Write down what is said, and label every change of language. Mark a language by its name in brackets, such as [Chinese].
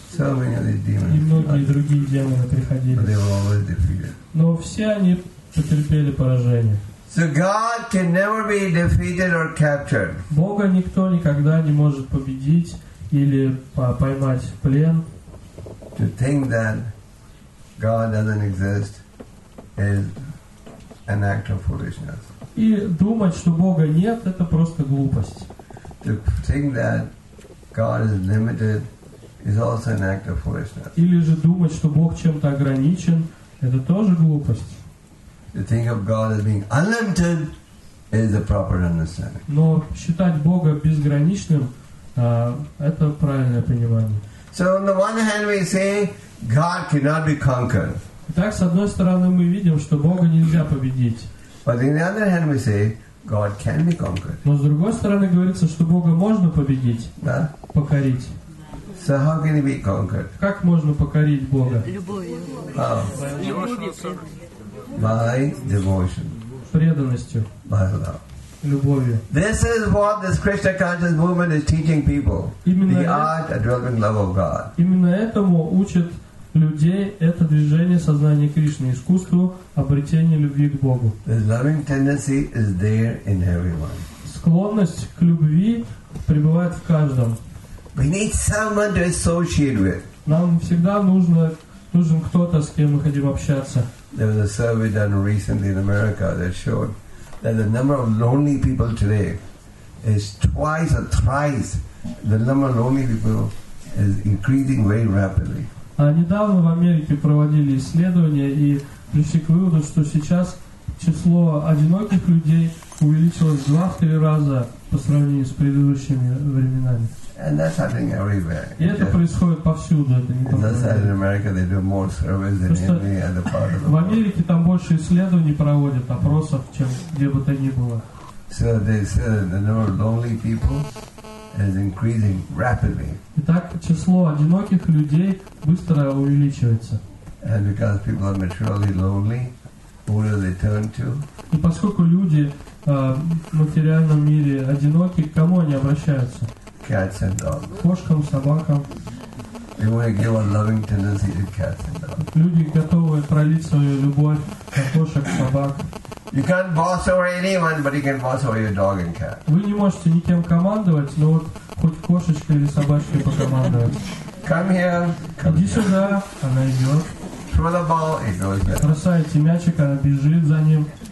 [Russian] И многие другие демоны приходили. Но все они потерпели поражение. [English] So God can never be defeated or captured. [Russian] Бога никто никогда не может победить или поймать в плен. [English] To think that God doesn't exist is an act of foolishness. [Russian] И думать, что Бога нет, это просто глупость. [English] To think that God is limited is also an act of foolishness. [Russian] Или же думать, что Бог чем-то ограничен, это тоже глупость. [English] To think of God as being unlimited is the proper understanding. [Russian] Но считать Бога безграничным, это правильное понимание. [English] So on the one hand we say God cannot be conquered. [Russian] Итак, с одной стороны мы видим, что Бога нельзя победить. [English] But on the other hand we say God can be conquered. [Russian] Но с другой стороны говорится, что Бога можно победить, да? Покорить. [English] So how can he be conquered? [Russian] Как можно покорить Бога? [English] By devotion. [Russian] Преданностью. [English] By love. [Russian] Любовью. [English] This is what this Krishna conscious movement is teaching people. [Russian] Именно [English] the art of developing love of God. [Russian] Именно этому учат людей это движение сознания Кришны, искусству обретения любви к Богу. [English] The loving tendency is there in everyone. [Russian] Склонность к любви пребывает в каждом. [English] We need someone to associate with. [Russian] Нам всегда нужен кто-то, с кем мы хотим общаться. [English] There was a survey done recently in America that showed that the number of lonely people today is twice or thrice the number of lonely people is increasing very rapidly. [Russian] А недавно в Америке проводили исследования и пришли к выводу, что сейчас число одиноких людей увеличилось в 2-3 раза по сравнению с предыдущими временами. [English] And that's happening everywhere. [Russian] И это происходит повсюду. В Америке там больше исследований проводят, опросов, чем где бы то ни было. [English] So they said the number of lonely people is increasing rapidly. [Russian] Итак, число одиноких людей быстро увеличивается. [English] And because people are materially lonely, who do they turn to? [Russian] И поскольку люди в материальном мире одиноки, к кому они обращаются? [English] Cats and dogs. [Russian] Кошкам, собакам. [English] They want to give a loving tendency to cats and dogs. [Russian] Люди готовы пролить свою любовь на кошек, собак. [English] You can't boss over anyone, but you can boss over your dog and cat. [Russian] Вы не можете никем командовать, но вот хоть кошечкой или собачкой покомандовать. [English] Come here. [Russian] Иди сюда. Она идет. [English] Throw the ball. It goes there. [Russian] Бросаете мячик, она бежит за ним.